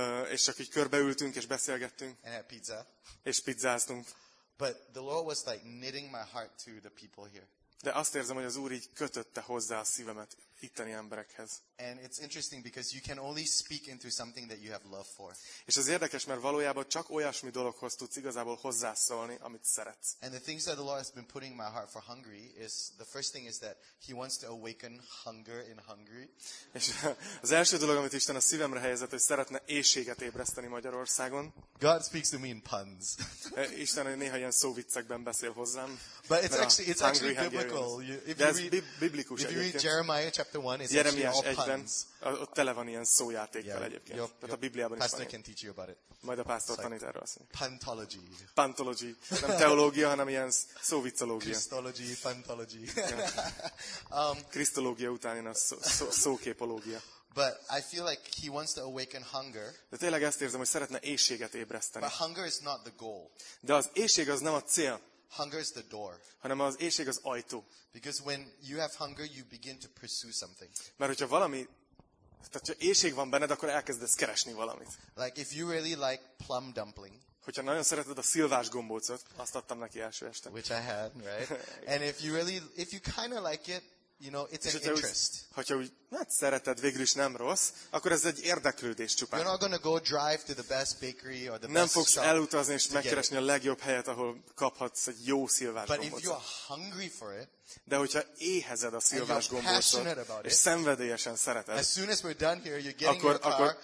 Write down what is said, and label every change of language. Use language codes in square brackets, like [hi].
[hu] És csak így körbeültünk és beszélgettünk. [en] And had pizza. [hu] És pizzáztunk. [en] But the Lord was like knitting my heart to the people here. [hu] De azt érzem, hogy az Úr így kötötte hozzá a szívemet itteni emberekhez. [en] And it's interesting because you can only speak into something that you have love for. [hu] És ez érdekes, mert valójában csak olyasmi dologhoz tudsz igazából hozzászólni, amit szeretsz. [en] And the things that the Lord has been putting in my heart for Hungary is the first thing is that he wants to awaken hunger in Hungary. [hu] És az első dolog, amit Isten a szívemre helyezett, hogy szeretne éhséget ébreszteni Magyarországon. [en] God speaks to me in puns. [hu] Isten néha ilyen szóviccekben beszél hozzám. [en] But it's actually biblical. [hu] Biblikus. [en] If you read Jeremiah chapter 1, it's actually all puns. [hu] Ott tele van ilyen szójátékkal egyébként. Tehát a Bibliában is van. Majd a pásztor tanít erről. [en] Pantology. Pantology. [hu] Nem teológia, hanem ilyen szóviccológia. [en] Christology, pantology. [hu] Krisztológia után ilyen a szóképológia. [en] But I feel like he wants to awaken hunger. [hu] De tényleg ezt érzem, hogy szeretne éhséget ébreszteni. [en] But hunger is not the goal. [hu] De az éhség az nem a cél. [en] Hunger is the door. [hu] Hanem az éhség az ajtó. [en] Because when you have hunger, you begin to pursue something. [hu] Mert hogyha valami, tehát ha éhség van benned, akkor elkezdesz keresni valamit. [en] Like if you really like plum dumpling. [hu] Hogyha nagyon szereted a szilvás gombócot, azt adtam neki első este. [en] Which I had, right? And if you kind of like it, you know, it's an interest. [hu] Hogyha úgy, hát szereted, végül is nem rossz, akkor ez egy érdeklődés csupán. [en] You're not gonna go drive to the best bakery or the [hu] nem fogsz elutazni és megkeresni a legjobb helyet, ahol kaphatsz egy jó szilvás [en] but [hu] gombócot. [en] If you're hungry for it, [hu] de hogyha éhezed a szilvás gombócot, és szenvedélyesen szereted, [en] as soon as we're done here, you're getting [hu] akkor